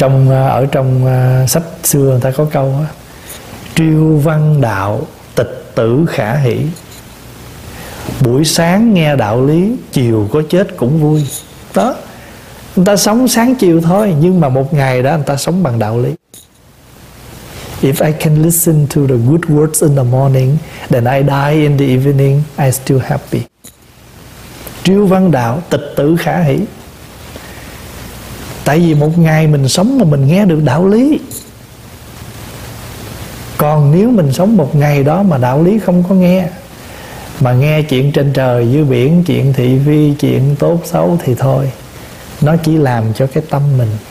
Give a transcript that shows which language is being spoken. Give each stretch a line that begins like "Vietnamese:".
Vietnamese: Ở trong sách xưa người ta có câu đó, triêu văn đạo, tịch tử khả hỷ. Buổi sáng nghe đạo lý, chiều có chết cũng vui. Đó, người ta sống sáng chiều thôi, nhưng mà một ngày đó người ta sống bằng đạo lý.
English: If I can listen to the good words in the morning, then I die in the evening, I still happy.
Vietnamese: Triêu văn đạo, tịch tử khả hỷ. Tại vì một ngày mình sống mà mình nghe được đạo lý. Còn nếu mình sống một ngày đó mà đạo lý không có nghe, mà nghe chuyện trên trời dưới biển, chuyện thị phi, chuyện tốt xấu thì thôi, nó chỉ làm cho cái tâm mình.